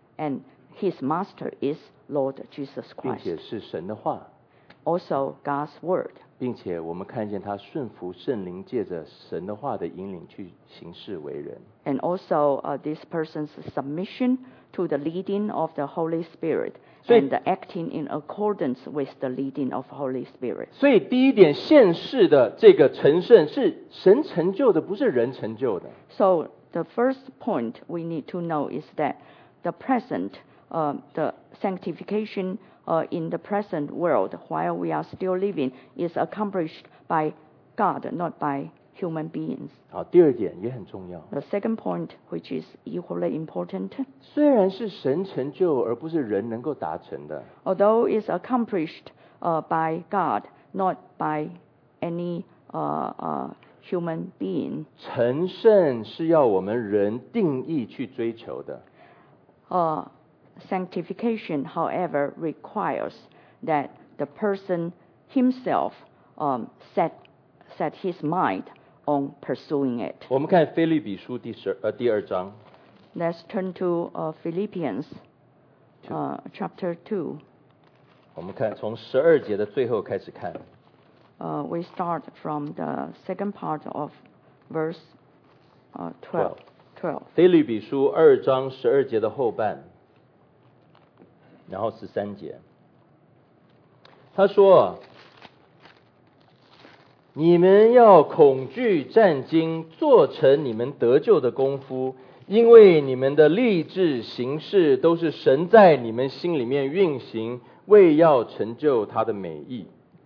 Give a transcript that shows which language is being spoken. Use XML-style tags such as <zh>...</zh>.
<en>And his master is Lord Jesus Christ.</en> <zh>并且是神的话。</zh> <en>Also God's word.</en> <zh>并且我们看见他顺服圣灵，借着神的话的引领去行事为人。</zh> <en>And also this person's submission to the leading of the Holy Spirit and acting in accordance with the leading of Holy Spirit.</en> <zh>所以第一点，现世的这个成圣是神成就的，不是人成就的。</zh> <en>So the first point we need to know is that the present, the sanctification in the present world, while we are still living, is accomplished by God, not by human beings.</en> <zh>好，第二点也很重要。</zh> <en>The second point, which is equally important,</en> <zh>虽然是神成就而不是人能够达成的。</zh> <en>Although it's accomplished by God, not by any human being.</en> <zh>成圣是要我们人定义去追求的。</zh> <en>Sanctification, however, requires that the person himself set his mind on pursuing it.</en> <zh>我们看腓立比书第二章。</zh> <en>Let's turn to Philippians chapter 2.</en> <zh>我们看从十二节的最后开始看。</zh> <en>We start from the second part of verse 12.</en> <zh>腓立比书二章十二节的后半。然后十三节，他说：“你们要恐惧战惊，做成你们得救的功夫，因为你们的立志行事都是神在你们心里面运行，为要成就他的美意。”</zh>